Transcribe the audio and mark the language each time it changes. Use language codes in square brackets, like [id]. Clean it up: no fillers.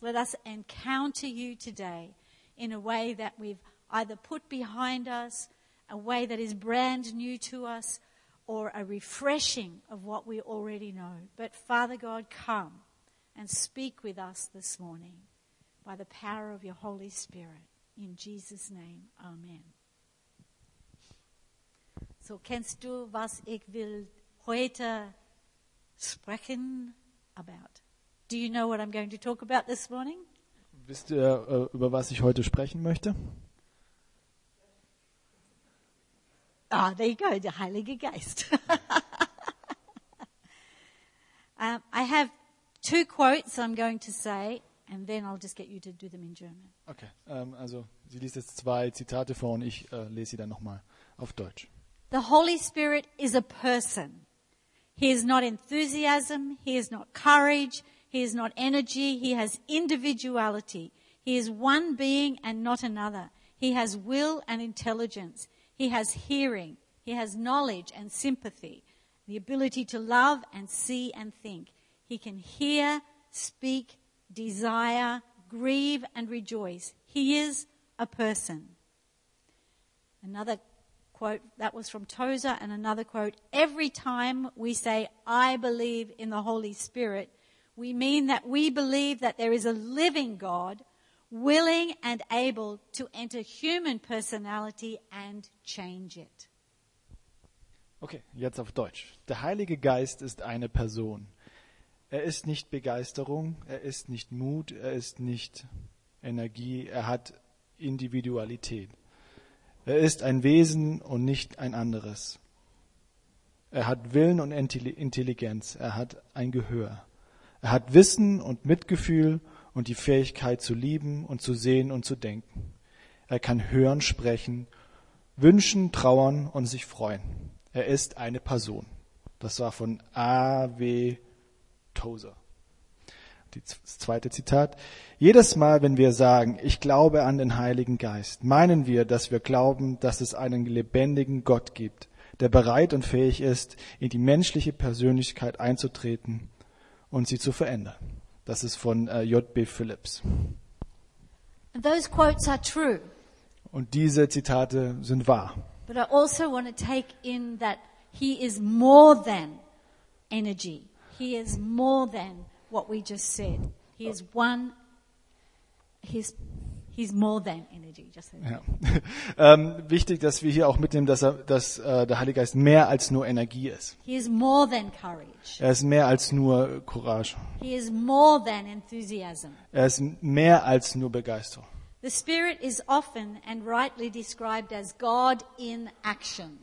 [en] Let us encounter you today in a way that we've either put behind us, a way that is brand new to us, or a refreshing of what we already know. But Father God, come and speak with us this morning by the power of your Holy Spirit. In Jesus' name, amen. [de] So kennst du, was ich will heute sprechen [en] about? Do you know what I'm going to talk about this morning? [de] Wisst ihr, über was ich heute sprechen möchte? [en] Ah, there you go, [de] der Heilige Geist. [en] I have two quotes I'm going to say, and then I'll just get you to do them in German. [de] Okay, also sie liest jetzt zwei Zitate vor und ich lese sie dann nochmal auf Deutsch. [en] The Holy Spirit is a person. He is not enthusiasm, he is not courage, he is not energy, he has individuality. He is one being and not another. He has will and intelligence. He has hearing, he has knowledge and sympathy, the ability to love and see and think. He can hear, speak, desire, grieve and rejoice. He is a person. Another quote, that was from Tozer, and another quote, every time we say, I believe in the Holy Spirit, we mean that we believe that there is a living God, willing and able to enter human personality and change it. [de] Okay, jetzt auf Deutsch. Der Heilige Geist ist eine Person. Er ist nicht Begeisterung, er ist nicht Mut, er ist nicht Energie, er hat Individualität. Er ist ein Wesen und nicht ein anderes. Er hat Willen und Intelligenz, er hat ein Gehör. Er hat Wissen und Mitgefühl und die Fähigkeit zu lieben und zu sehen und zu denken. Er kann hören, sprechen, wünschen, trauern und sich freuen. Er ist eine Person. Das war von A.W. Tozer. Das zweite Zitat. Jedes Mal, wenn wir sagen, ich glaube an den Heiligen Geist, meinen wir, dass wir glauben, dass es einen lebendigen Gott gibt, der bereit und fähig ist, in die menschliche Persönlichkeit einzutreten und sie zu verändern. Das ist von J.B. Phillips. [en] Those quotes are true. [de] Und diese Zitate sind wahr. [en] But I also want to take in that he is more than energy. He is more than what we just said. He is one. He's more than energy. Just so. Ja. [de] Wichtig, dass wir hier auch mitnehmen, dass der Heilige Geist mehr als nur Energie ist. [en] He is more than courage. [de] Er ist mehr als nur Courage. [en] He is more than enthusiasm. [de] Er ist mehr als nur Begeisterung. [en] The Spirit is often and rightly described as God in action.